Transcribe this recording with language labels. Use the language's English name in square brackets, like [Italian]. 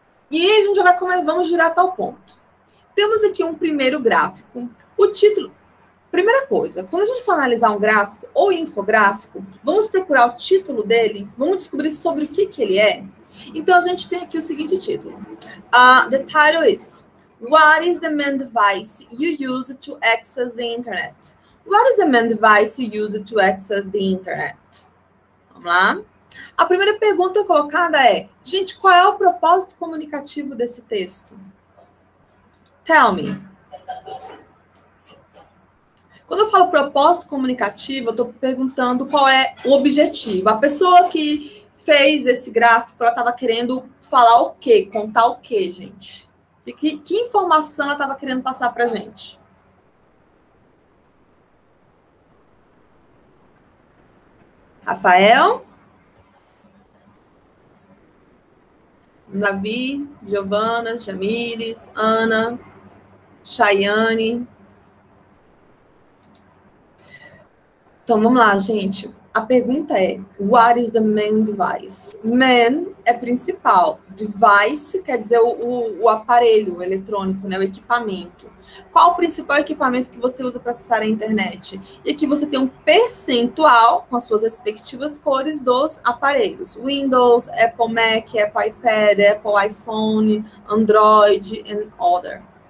[Portuguese] E a gente já vai começar, vamos girar até o ponto. Temos aqui um primeiro gráfico. O título... Primeira coisa, quando a gente for analisar um gráfico ou infográfico, vamos procurar o título dele, vamos descobrir sobre o que, que ele é. Então, a gente tem aqui o seguinte título. [English] The title is... What is the main device you use to access the internet? What is the main device you use to access the internet? [Portuguese] Vamos lá? A primeira pergunta colocada é... Gente, qual é o propósito comunicativo desse texto? [English] Tell me. [Portuguese] Quando eu falo propósito comunicativo, eu estou perguntando qual é o objetivo. A pessoa que fez esse gráfico, ela estava querendo falar o quê? Contar o quê, gente? Que informação ela estava querendo passar para a gente? Rafael? Davi, Giovana, Jamires, Ana, Chayane. Então, vamos lá, gente. A pergunta é, [English] what is the main device? [Portuguese] Main é principal. Device quer dizer o aparelho o eletrônico, né? O equipamento. Qual o principal equipamento que você usa para acessar a internet? E aqui você tem um percentual com as suas respectivas cores dos aparelhos. [English] Windows, Apple Mac, Apple iPad, Apple iPhone, Android and other.